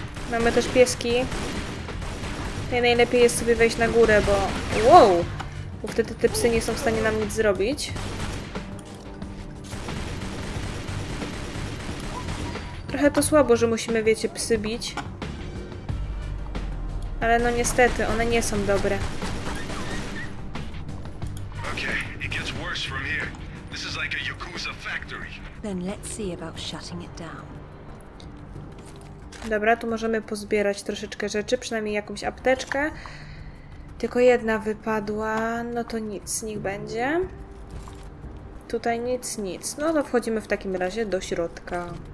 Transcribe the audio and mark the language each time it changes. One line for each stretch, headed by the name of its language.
Polish: Mamy też pieski. I najlepiej jest sobie wejść na górę, bo... Wow! Bo wtedy te psy nie są w stanie nam nic zrobić. Trochę to słabo, że musimy, wiecie, psy bić. Ale no niestety, one nie są dobre.
English: Okay, it gets worse from here. This is like a Yakuza factory. Then let's see about shutting it down.
Polish: Dobra, tu możemy pozbierać troszeczkę rzeczy, przynajmniej jakąś apteczkę. Tylko jedna wypadła, no to nic, niech będzie. Tutaj nic, nic. No to wchodzimy w takim razie do środka.